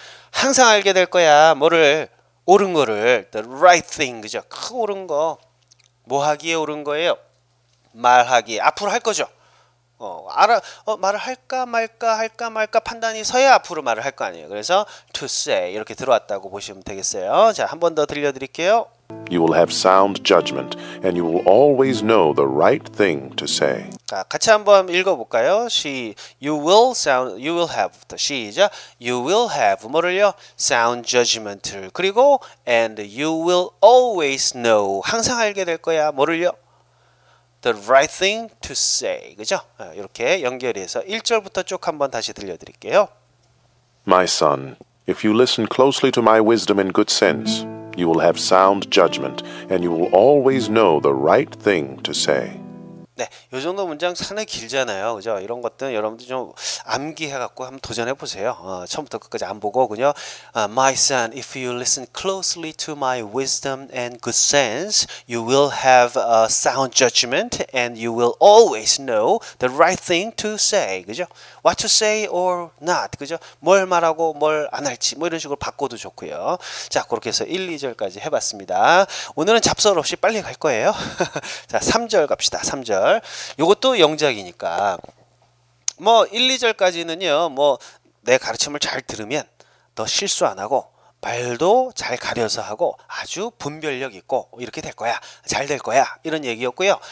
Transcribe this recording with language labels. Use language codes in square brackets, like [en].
[ko] 항상 알게 될 거야, 뭐를, 옳은 거를, [en] the right thing, [ko] 그죠? 그 옳은 거, 뭐 하기에 옳은 거예요? 말하기, 앞으로 할 거죠. 말을 할까 말까 할까 말까 판단이 서야 앞으로 말을 할 거 아니에요. 그래서 [en] to say [ko] 이렇게 들어왔다고 보시면 되겠어요. 자, 한 번 더 들려드릴게요. [en] You will have sound judgment and you will always know the right thing to say. [ko] 자, 같이 한번 읽어볼까요? [en] You will have [ko] 시작. [en] You will have [ko] 뭐를요? [en] Sound judgment. [ko] 그리고 [en] and you will always know [ko] 항상 알게 될 거야 뭐를요? [en] The right thing to say, [ko] 그죠? 이렇게 연결해서 1절부터 쭉 한번 다시 들려드릴게요. [en] My son, if you listen closely to my wisdom and good sense, you will have sound judgment, and you will always know the right thing to say. [ko] 네, 요 정도 문장 상당히 길잖아요, 그죠? 이런 것들 여러분들 좀 암기해갖고 한번 도전해 보세요. 처음부터 끝까지 안 보고 그냥 [en] My son, if you listen closely to my wisdom and good sense, you will have a sound judgment and you will always know the right thing to say, [ko] 그죠? [en] What to say or not, [ko] 그죠? 뭘 말하고 뭘 안 할지 뭐 이런 식으로 바꿔도 좋고요. 자, 그렇게 해서 1, 2절까지 해봤습니다. 오늘은 잡설 없이 빨리 갈 거예요. 자, 3절 갑시다. 3절. 이것도 영작이니까 뭐 1, 2절까지는요 뭐 내 가르침을 잘 들으면 너 실수 안 하고 말도 잘 가려서 하고 아주 분별력 있고 이렇게 될 거야, 잘 될 거야 이런 얘기였고요.